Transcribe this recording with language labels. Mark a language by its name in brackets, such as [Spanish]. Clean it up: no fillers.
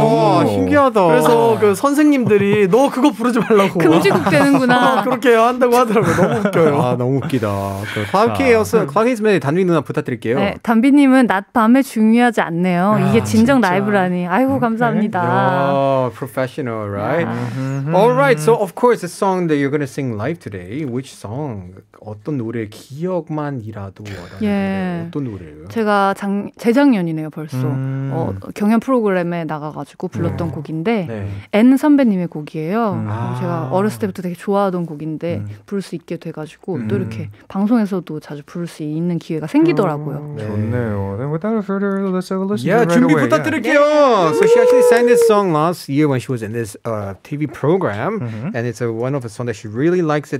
[Korean] 와, 신기하다. 그래서 그 선생님들이 너 그거 부르지 말라고 금지곡 되는구나. 그렇게 한다고 하더라고요. 너무 웃겨요. 아, 너무 웃기다. 클라우키에서 단비 누나 부탁드릴게요. 네, 단비님은 낮밤에 중요하지 않네요. 야, 이게 진정 진짜. 라이브라니. 아이고 감사합니다. [English] Professional, right? Alright, so of course the song that you're gonna sing live today, which song? [Korean] 어떤 노래 기억만이라도 예. 어떤 노래 제가 재작년이네요 벌써 경연 프로그램에 나가가지고 불렀던 네. 곡인데 N 네. 선배님의 곡이에요. 제가 어렸을 때부터 되게 좋아하던 곡인데 부를 수 있게 돼가지고 또 이렇게 방송에서도 자주 부를 수 있는 기회가 생기더라고요. 네. 좋네요. [English] Then without further ado, let's yeah, [Korean] 준비 [English] right [Korean] 부탁드릴게요. [English] Yeah. So she actually sang this song last year when she was in this TV program, and it's one of the songs that she really likes it.